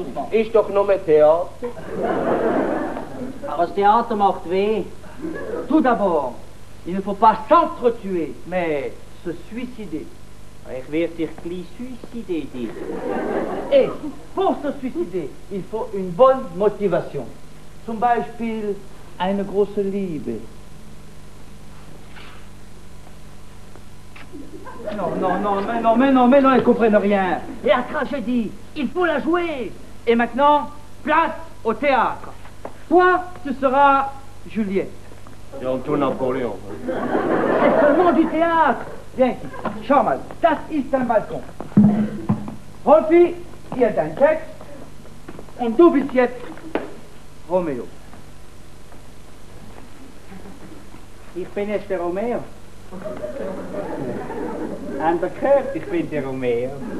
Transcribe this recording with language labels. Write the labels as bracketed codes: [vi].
[de] Ist doch nur mehr Theater. Aber das Theater macht weh. [fr] Tout d'abord, il ne faut pas s'entretuer, mais se suicider. [de] Ich werde dich gleich suicider, Didi. [fr] Ich, pour se suicider, il faut une bonne Motivation. [de] Zum Beispiel eine große Liebe. [fr] Non, ils comprennent rien. La tragédie, il faut la jouer. Et maintenant, place au théâtre. Toi, tu seras Juliette. Et on tourne Napoléon. C'est seulement du théâtre. Viens ici. [de] Schau mal, das ist ein Balkon. Rolfi, hier dein Text. Und du bist jetzt Romeo. Ich bin jetzt der Romeo. An der Kurt, ich bin der Romeo.